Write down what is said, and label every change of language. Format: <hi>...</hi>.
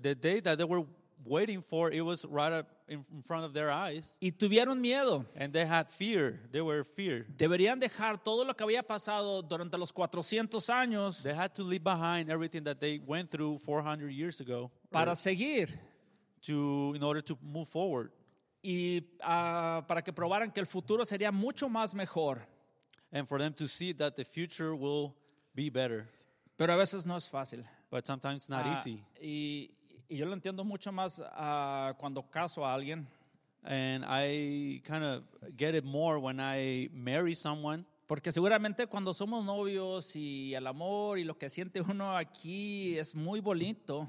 <en>The day that they were waiting for, it was right up in front of their eyes.</en> <es>Y tuvieron miedo.</es> <en>And they had fear. They were fear.</en> <es>Deberían dejar todo lo que había pasado durante los 400 años.</es> <en>They had to leave behind everything that they went through 400 years ago.</en> <es>Para seguir.</es> <en>In order to move forward.</en> <es>Y para que probaran que el futuro sería mucho más mejor.</es> <en>And for them to see that the future will be better.</en> <es>Pero a veces no es fácil.</es> <en>But sometimes it's not easy.</en> <es>Y yo lo entiendo mucho más cuando caso a alguien.</es> <en>And I kind of get it more when I marry someone.</en> <es>Porque seguramente cuando somos novios y el amor y lo que siente uno aquí es muy bonito.</es>